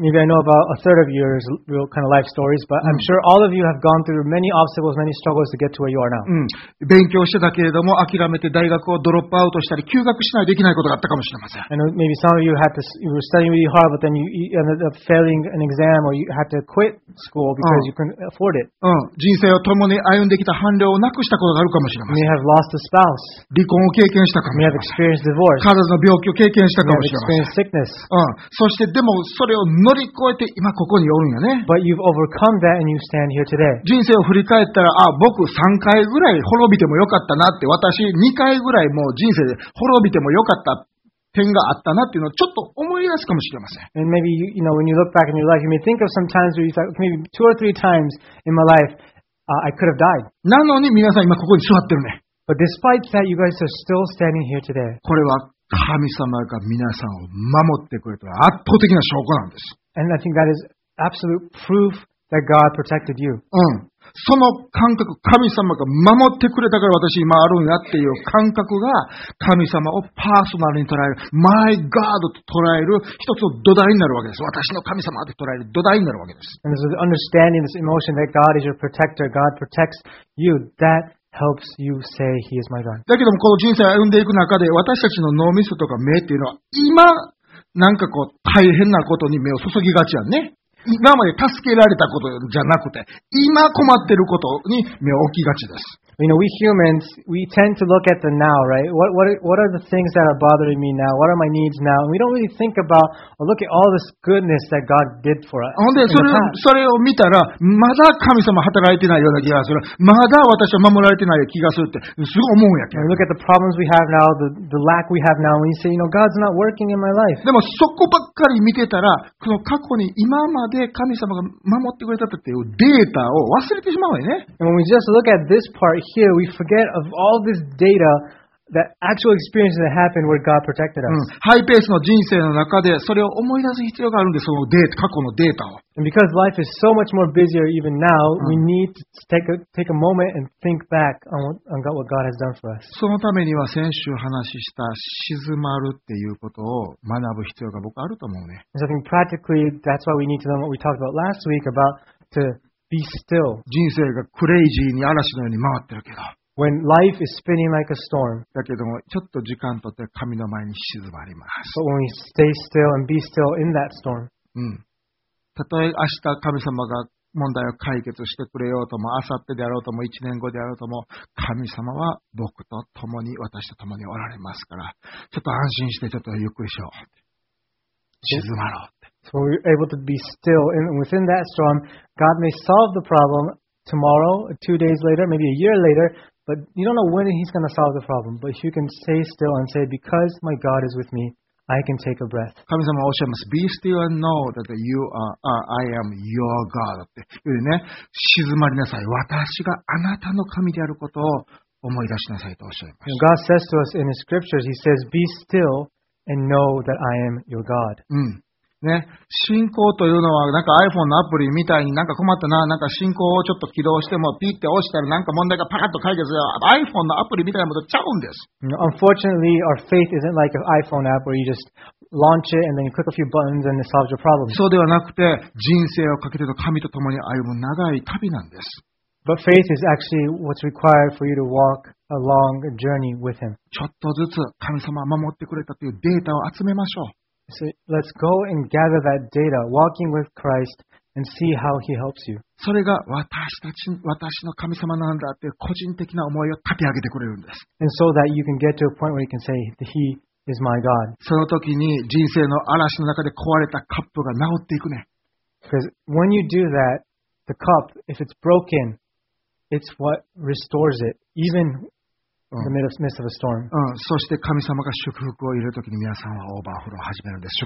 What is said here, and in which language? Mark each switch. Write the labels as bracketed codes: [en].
[en] Maybe I know about a third of your real kind of life stories, but I'm sure all of you have gone through many obstacles, many struggles to get to where you are now. [ja] 勉強してたけれども諦めて大学をドロップアウトしたり休学しないできないことがあったかもしれません。 [en] I know maybe some of you had to, you were studying really hard, but then you ended up failing an exam or you had to quit school because you couldn't afford it. [ja] 人生を共に歩んできた伴侶をなくしたことがあるかもしれません。 [en] May have lost a spouse. [ja] 離婚を経験したかもしれません。 [en] May have experienced divorce. [ja] 体の病気を経験したかもしれません。そしてでもそれを乗り越えて今ここにおるんよね。 [en] But you've overcome that and you stand here today. [ja] 人生を振り返ったら、あ、僕3回ぐらい滅びてもよかったなって、私2回ぐらいもう人生で滅びてもよかった。点があったなっていうのをちょっと思い出すかもしれません。 [en] And maybe you, you know, when you look back in your life, you may think of some times where you thought, maybe two or three times in my life, I could have died. [ja] なのに皆さん今ここに座ってるね。 [en] But despite that, you guys are still standing here today. [ja] これは神様が皆さんを守ってくれた圧倒的な証拠なんです。 [en] And I think that is absolute proof that God protected you. うん。 [ja] その感覚、神様が守ってくれたから私今あるんやっていう感覚が神様をパーソナルに捉える、 [en] My God [ja] と捉える一つの土台になるわけです。私の神様と捉える土台になるわけです。 [en] And this is understanding this emotion that God is your protector, God protects you, that helps you say He is my God. [ja] だけどもこの人生を歩んでいく中で私たちの脳みそとか目っていうのは今なんかこう大変なことに目を注ぎがちやんね。今まで助けられたことじゃなくて、今困ってることに目を置きがちです。 [en] You know, we humans, we tend to look at the now, right? What are the things that are bothering me now? What are my needs now? And we don't really think about or look at all this goodness that God did for us. [ja] ほんで、それを見たら、まだ神様働いてないような気がする。まだ私は守られてない気がするって、すごい思うんやけど。 [en] And we look at the problems we have now, the lack we have now, and we say, you know, God's not working in my life. [ja] でも、そこばっかり見てたら、この過去に今まで神様が守ってくれたっていうデータを忘れてしまうよね。 [en] And when we just look at this part,Here we forget of all this data, that actual experience that happened where God protected us.、 [ja] うん、ハイペースの人生の中でそれを思い出す必要があるんです。そのデータ、過去のデータを。 [en] And because life is so much more busier even now,、うん、we need to take a moment and think back on what God has done for us. [ja] そのためには先週話した静まるっていうことを学ぶ必要が僕あると思うね。 [en] So I think practically that's why we need to learn what we talked about last week about to. Be still. [ja] 人生がクレイジーに嵐のように回ってるけど。 [en] When life is spinning like a storm. [ja] だけども、ちょっと時間とって神の前に静まります。 [en] But when we stay still and be still in that storm. うん。 [ja] たとえ明日神様が問題を解決してくれようとも、明後日であろうとも、1年後であろうとも、神様は僕と共に、私と共におられますから、ちょっと安心して、ちょっとゆっくりしよう。静まろう。 [en] So we're able to be still and within that storm, God may solve the problem tomorrow, two days later, maybe a year later, but you don't know when He's going to solve the problem. But you can stay still and say, because my God is with me, I can take a breath. [ja] 神様おっしゃいます。 [en] Be still and know that you are, I am your God. [ja] っていうね、静まりなさい。私があなたの神であることを思い出しなさいとおっしゃいます。 [en] And God says to us in His scriptures, He says, be still and know that I am your God. うん。 [ja] ね、信仰というのはなんか iPhone のアプリみたいになんか困ったな、なんか信仰をちょっと起動してもピッて押したらなんか問題がパカッと解決する iPhone のアプリみたいなものちゃうんです。 [en] Unfortunately, our faith isn't like an iPhone app where you just launch it and then you click a few buttons and it solves your problem. [ja] そうではなくて人生をかけての神と共に歩む長い旅なんです。 [en] But faith is actually what's required for you to walk a long journey with Him. [ja] ちょっとずつ神様守ってくれたというデータを集めましょう。 [en] So let's go and gather that data, walking with Christ, and see how He helps you. [ja] それが私の神様なんだって個人的な思いを立て上げてくれるんです。 [en] And so that you can get to a point where you can say that He is my God. [ja] その時に人生の嵐の中で壊れたカップが治っていくね。 [en] Because when you do that, the cup, if it's broken, it's what restores it, even In the midst of a storm. [ja] うん、そして神様が祝福を入れるときに皆さんはオーバーフローを始めるんです。